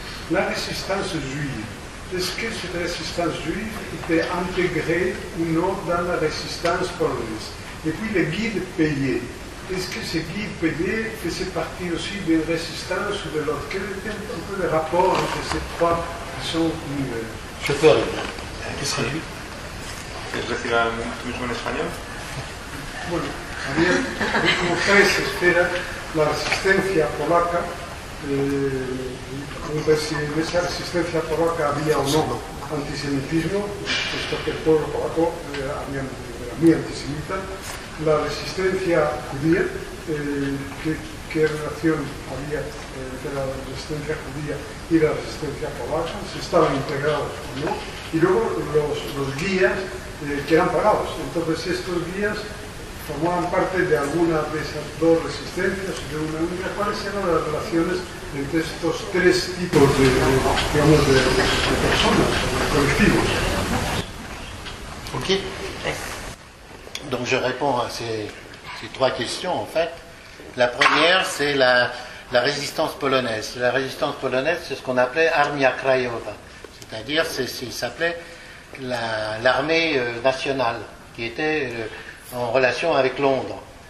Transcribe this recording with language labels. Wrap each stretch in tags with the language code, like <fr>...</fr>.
<fr>La résistance juive. Est-ce que cette résistance juive était intégrée ou non dans la résistance polonaise? Et puis les guides payés. Est-ce que ces guides payés faisaient partie aussi d'une résistance ou de l'autre? Quel était un peu le rapport entre ces trois qui sont nouvelles? Je peux répondre. Qu'est-ce que c'est?</fr> <es>¿Quieres decir al mismo en español? Bueno, había, como ustedes esperan, la resistencia polaca, no sé si en esa resistencia polaca había o no antisemitismo, puesto que el pueblo polaco era muy antisemita. La resistencia judía, ¿qué relación había entre la resistencia judía y la resistencia polaca? ¿Si estaban integrados o no? Y luego los guías que eran pagados. Entonces, estos guías formaban parte de alguna de esas dos resistencias, de una única. ¿Cuáles eran las relaciones entre estos tres tipos de personas, de colectivos? Ok.</es> <fr>Donc je réponds à ces trois questions, en fait. La première, c'est la résistance polonaise. La résistance polonaise, c'est ce qu'on appelait Armia Krajowa, c'est-à-dire il s'appelait l'armée nationale, qui était en relation avec Londres.</fr>